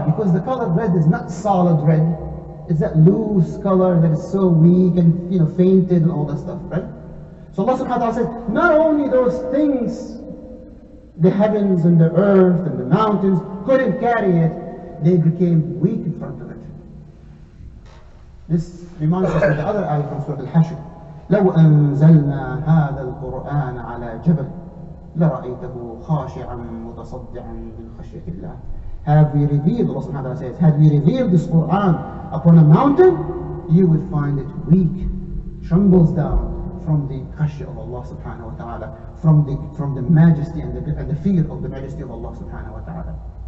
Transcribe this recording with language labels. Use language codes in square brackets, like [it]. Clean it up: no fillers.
[en] Because the color red is not solid red. It's that loose color that is so weak and, you know, fainted and all that stuff, right? So Allah subhanahu wa ta'ala says, not only those things, the heavens and the earth and the mountains couldn't carry it, they became weak in front of it. This reminds us of the other ayah from Surah Al-Hashr. [ar] لو أنزلنا هذا القرآن على جبل لرأيته خاشعا متصدعا من خشية الله. [en] Have we revealed, Allah subhanahu wa ta'ala says, had we revealed this Quran upon a mountain, you would find it weak, trembles down from the khashya of Allah subhanahu wa ta'ala, from the majesty and the fear of the majesty of Allah subhanahu wa ta'ala.